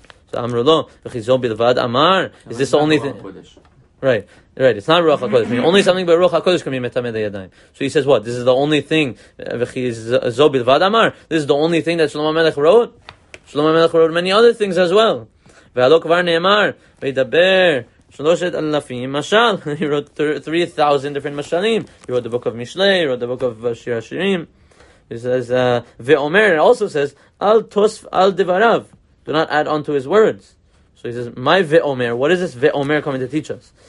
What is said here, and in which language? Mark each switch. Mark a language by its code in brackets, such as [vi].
[en] So Amru lo, [he] v'chizo bilvad amar. [en] Is this the only thing? Right. It's not Ruach HaKodesh. I mean, only something by Ruach HaKodesh can be metameh yadayim. So he says what? This is the only thing, [he] v'chizo bilvad amar. [en] This is the only thing that Shlomo HaMelech wrote. Shlomo HaMelech wrote many other things as well. [he] והלא כבר נאמר, וידבר שלושת אלפים משל. [en] He wrote 3,000 different משלים. He wrote the book of Mishle, he wrote the book of Shir Hashirim. He says, ואומר, it also says, [he] אל תוסף על דבריו. [en] Do not add on to his words. So he says, my ואומר, what is this ואומר coming to teach us?